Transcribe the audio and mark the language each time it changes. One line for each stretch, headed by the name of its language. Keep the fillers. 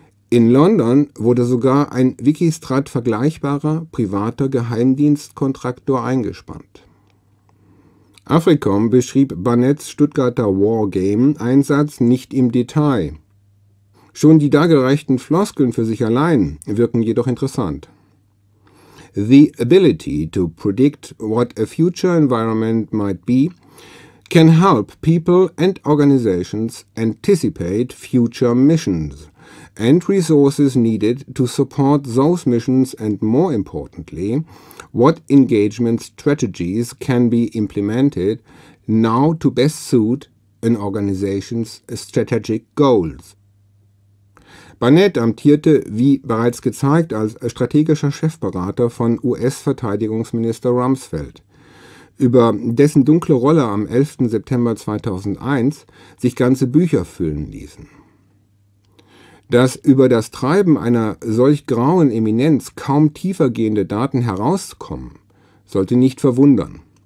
German: In London wurde sogar ein Wikistrat-vergleichbarer privater Geheimdienstkontraktor eingespannt Afrikom beschrieb Barnetts Stuttgarter Wargame Einsatz nicht im Detail. Schon die dargereichten Floskeln für sich allein wirken jedoch interessant.
English: The ability to predict what a future environment might be can help people and organizations anticipate future missions and resources needed to support those missions and more importantly, what engagement strategies can be implemented now to best suit an organization's strategic goals.
German: Barnett amtierte, wie bereits gezeigt, als strategischer Chefberater von US-Verteidigungsminister Rumsfeld. Über dessen dunkle Rolle am 11. September 2001 sich ganze Bücher füllen ließen dass über das Treiben einer solch grauen Eminenz kaum tiefergehende Daten herauskommen, sollte nicht verwundern.